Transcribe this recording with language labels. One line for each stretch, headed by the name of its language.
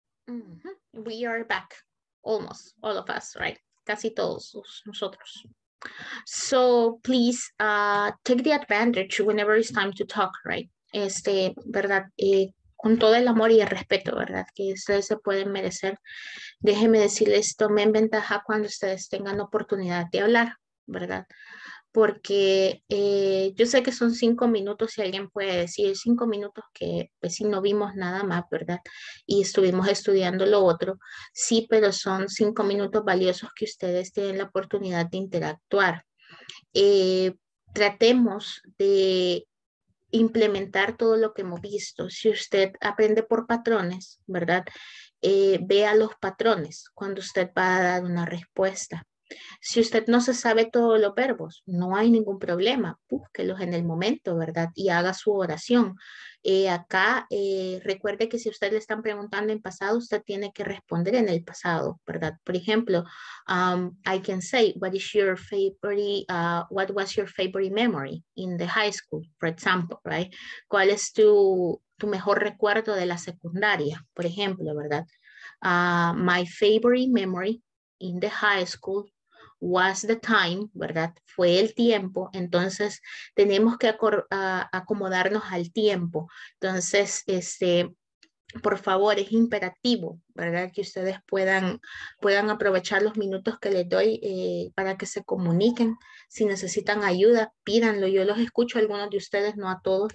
English: Mm-hmm. We are back, almost all of us, right?
Spanish: Casi todos nosotros.
English: So please take the advantage whenever it's time to talk, right?
Spanish: ¿Verdad? Con todo el amor y el respeto, ¿verdad? Que ustedes se pueden merecer. Déjenme decirles, tomen ventaja cuando ustedes tengan oportunidad de hablar, ¿verdad? Porque yo sé que son 5 minutos, si alguien puede decir 5 minutos, que pues si no vimos nada más, ¿verdad? Y estuvimos estudiando lo otro. Sí, pero son 5 minutos valiosos que ustedes tienen la oportunidad de interactuar. Tratemos de implementar todo lo que hemos visto. Si usted aprende por patrones, ¿verdad? Vea los patrones cuando usted va a dar una respuesta. Si usted no se sabe todos los verbos, no hay ningún problema, búsquelos en el momento, ¿verdad? Y haga su oración. Recuerde que si usted le están preguntando en pasado, usted tiene que responder en el pasado, ¿verdad? Por ejemplo,
English: I can say, what is your favorite, what was your favorite memory in the high school, for example, right?
Spanish: ¿Cuál es tu mejor recuerdo de la secundaria, por ejemplo, ¿verdad?
English: My favorite memory in the high school was the time,
Spanish: ¿verdad? Fue el tiempo. Entonces, tenemos que acomodarnos al tiempo. Entonces, por favor, es imperativo, ¿verdad? Que ustedes puedan aprovechar los minutos que les doy para que se comuniquen. Si necesitan ayuda, pídanlo. Yo los escucho a algunos de ustedes, no a todos.